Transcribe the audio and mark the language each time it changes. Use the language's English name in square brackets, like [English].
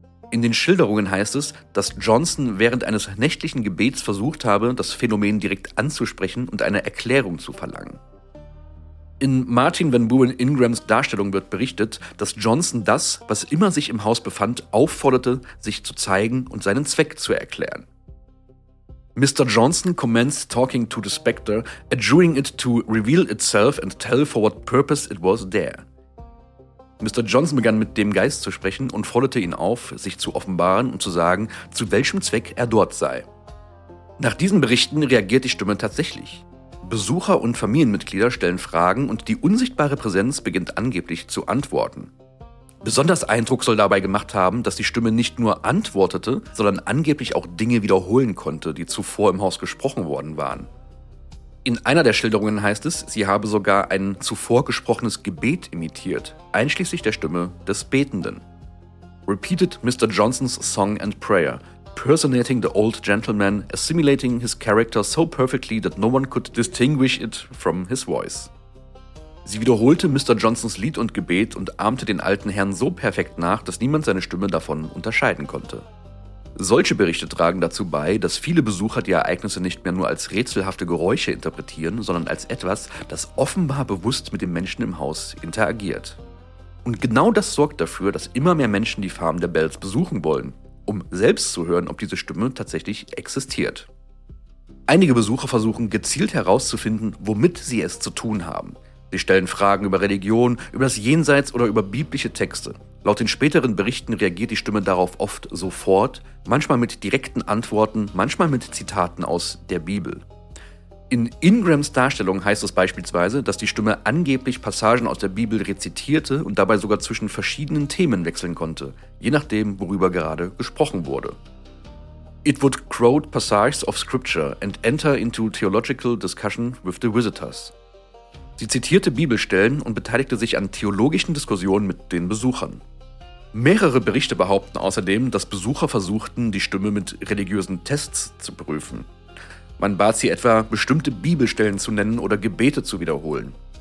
[German] In den Schilderungen heißt es, dass Johnson während eines nächtlichen Gebets versucht habe, das Phänomen direkt anzusprechen und eine Erklärung zu verlangen. In Martin Van Buren Ingrams Darstellung wird berichtet, dass Johnson das, was immer sich im Haus befand, aufforderte, sich zu zeigen und seinen Zweck zu erklären. [English] Mr. Johnson commenced talking to the specter, adjuring it to reveal itself and tell for what purpose it was there. [German] Mr. Johnson begann mit dem Geist zu sprechen und forderte ihn auf, sich zu offenbaren und zu sagen, zu welchem Zweck er dort sei. Nach diesen Berichten reagiert die Stimme tatsächlich. Besucher und Familienmitglieder stellen Fragen und die unsichtbare Präsenz beginnt angeblich zu antworten. Besonders Eindruck soll dabei gemacht haben, dass die Stimme nicht nur antwortete, sondern angeblich auch Dinge wiederholen konnte, die zuvor im Haus gesprochen worden waren. In einer der Schilderungen heißt es, sie habe sogar ein zuvor gesprochenes Gebet imitiert, einschließlich der Stimme des Betenden. [English] Repeated Mr. Johnson's song and prayer, personating the old gentleman, assimilating his character so perfectly that no one could distinguish it from his voice. [German] Sie wiederholte Mr. Johnsons Lied und Gebet und ahmte den alten Herrn so perfekt nach, dass niemand seine Stimme davon unterscheiden konnte. Solche Berichte tragen dazu bei, dass viele Besucher die Ereignisse nicht mehr nur als rätselhafte Geräusche interpretieren, sondern als etwas, das offenbar bewusst mit den Menschen im Haus interagiert. Und genau das sorgt dafür, dass immer mehr Menschen die Farm der Bells besuchen wollen, um selbst zu hören, ob diese Stimme tatsächlich existiert. Einige Besucher versuchen gezielt herauszufinden, womit sie es zu tun haben. Sie stellen Fragen über Religion, über das Jenseits oder über biblische Texte. Laut den späteren Berichten reagiert die Stimme darauf oft sofort, manchmal mit direkten Antworten, manchmal mit Zitaten aus der Bibel. In Ingrams Darstellung heißt es beispielsweise, dass die Stimme angeblich Passagen aus der Bibel rezitierte und dabei sogar zwischen verschiedenen Themen wechseln konnte, je nachdem, worüber gerade gesprochen wurde. [English] It would quote passages of scripture and enter into theological discussion with the visitors. [German] Sie zitierte Bibelstellen und beteiligte sich an theologischen Diskussionen mit den Besuchern. Mehrere Berichte behaupten außerdem, dass Besucher versuchten, die Stimme mit religiösen Tests zu prüfen. Man bat sie etwa, bestimmte Bibelstellen zu nennen oder Gebete zu wiederholen.